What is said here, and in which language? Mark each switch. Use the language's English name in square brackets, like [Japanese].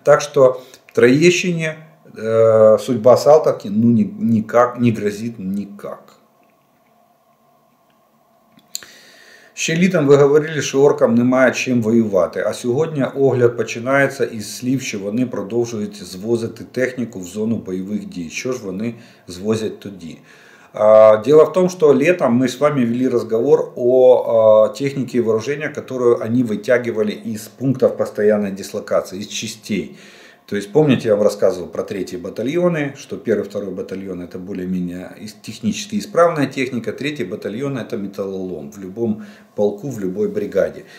[Russian] Так что Троещине судьба Салтовки ну, никак не грозит никак. [Ukrainian] Ще літом ви говорили, що оркам немає чим воювати, а сьогодні огляд починається із слів, що вони продовжують звозити техніку в зону бойових дій. Що ж вони звозять тоді? [Russian] Дело в том, что летом мы с вами вели разговор о технике вооружения, которую они вытягивали из пунктов постоянной дислокации, из частей. То есть, помните, я вам рассказывал про третьи батальоны, что первый и второй батальон это более-менее технически исправная техника, третий батальон это металлолом в любом полку, в любой бригаде.